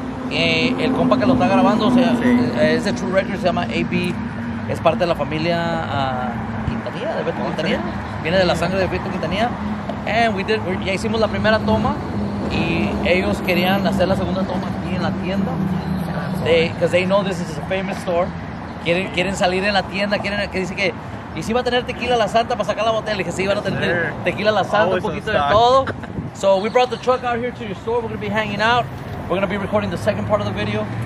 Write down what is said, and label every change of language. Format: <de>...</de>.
<es>El compa que lo está grabando, o sea, es de True Records, se llama AB. Es parte de la familia Quintanilla, de Beto Quintanilla. Viene de la sangre de Beto Quintanilla. And ya hicimos la primera toma. Y ellos querían hacer la segunda toma aquí en la tienda.</es> <en>Because they know this is a famous store.</en> <es>Quieren salir en la tienda. Quieren que dice que. Y si va a tener tequila la santa para sacar la botella. Le dije, sí, van a tener tequila la santa, un poquito de todo.</es> <en>So we brought the truck out here to your store. We're going to be hanging out. We're going to be recording the second part of the video.</en>